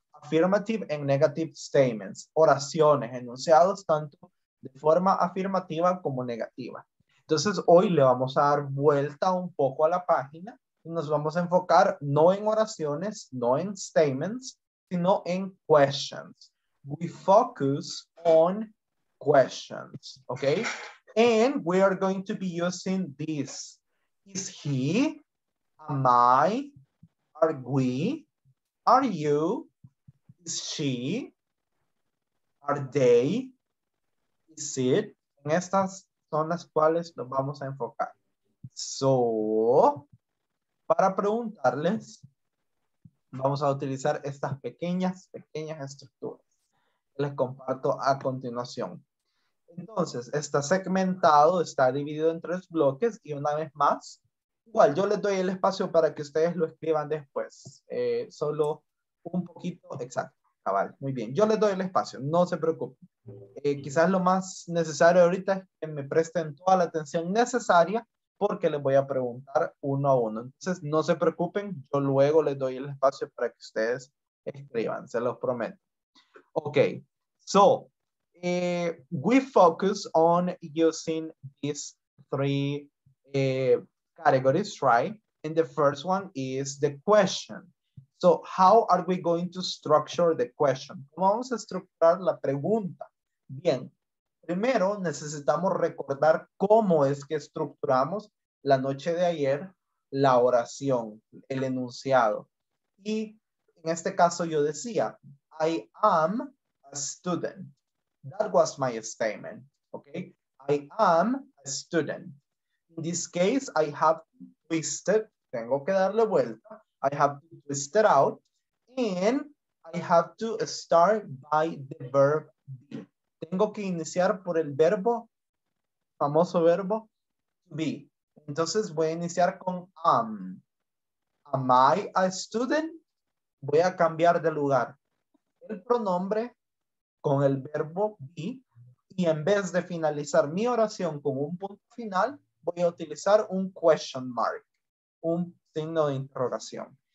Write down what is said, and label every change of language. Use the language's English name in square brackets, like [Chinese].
[English] Affirmative and negative statements, [Spanish] oraciones, enunciados tanto de forma afirmativa como negativa. Entonces hoy le vamos a dar vuelta un poco a la página y nos vamos a enfocar no en oraciones, no en statements, sino en questions. [English] We focus on questions, okay? And we are going to be using this. Is he, am I, are we, are you, is she, are they, is it? [Spanish] En estas son las cuales nos vamos a enfocar. So, para preguntarles, vamos a utilizar estas pequeñas, pequeñas estructuras. Les comparto a continuación. Entonces, está segmentado, está dividido en tres bloques y una vez más, igual yo les doy el espacio para que ustedes lo escriban después. Solo un poquito, exacto, cabal, muy bien. Yo les doy el espacio, no se preocupen. Quizás lo más necesario ahorita es que me presten toda la atención necesaria porque les voy a preguntar uno a uno. Entonces, no se preocupen, yo luego les doy el espacio para que ustedes escriban, se los prometo. [English] Okay, so we focus on using these three categories, right? And the first one is the question. So how are we going to structure the question? [Spanish] ¿Cómo vamos a estructurar la pregunta? Bien, primero necesitamos recordar cómo es que estructuramos la noche de ayer la oración, el enunciado. Y en este caso yo decía, [English] I am a student. That was my statement. Okay. I am a student. In this case, I have twisted. [Spanish] Tengo que darle vuelta. [English] I have to twist it out. And I have to start by the verb be. [Spanish] Tengo que iniciar por el verbo, famoso verbo, be. Entonces voy a iniciar con am. [English] Am I a student? [Spanish] Voy a cambiar de lugar. El pronombre con el verbo be, y en vez de finalizar mi oración con un punto final, voy a utilizar un question mark, un signo de interrogación.